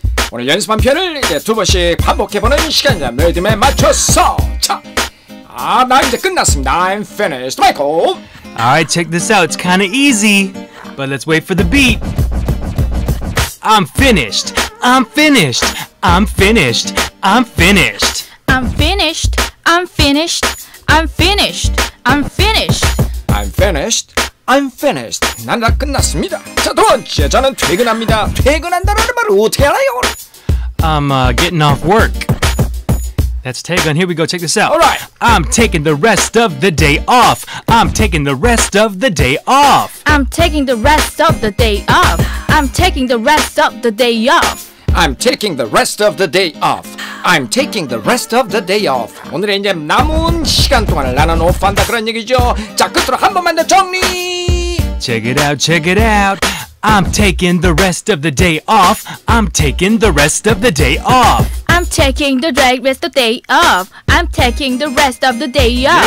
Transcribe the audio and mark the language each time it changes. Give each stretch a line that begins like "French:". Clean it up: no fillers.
Korean: Today, 연습한 표현을 이제 두 번씩 반복해보는 시간입니다. 리듬에 맞춰서. 자, 아, 나 이제 끝났습니다.
English: I'm finished. Michael. All right, check this out. It's kind of easy, but let's wait for the beat. I'm finished. I'm finished. I'm finished. I'm finished. I'm finished. I'm finished. I'm finished. I'm finished. I'm finished. I'm finished.
Korean: 난 다 끝났습니다. 자, 두 번째. 저는 퇴근합니다. 퇴근한다는 말 어떻게 알아요?
English: I'm getting off work. That's taken. Here we go. Check this out. All right. I'm taking the rest of the day off. I'm taking the rest of the day off. I'm taking the rest of the day off. I'm taking the rest of the day off. I'm taking the rest of the day off. I'm taking the rest of the day off.
Korean: 오늘의 이제 남은 시간 동안을 나는 오프한다 그런 얘기죠. 자, 끝으로 한 번만 더 정리.
English: Check it out, check it out. I'm taking the rest of the day off. I'm taking the rest of the day off. I'm taking the rest of the day off. I'm taking the rest of the day off.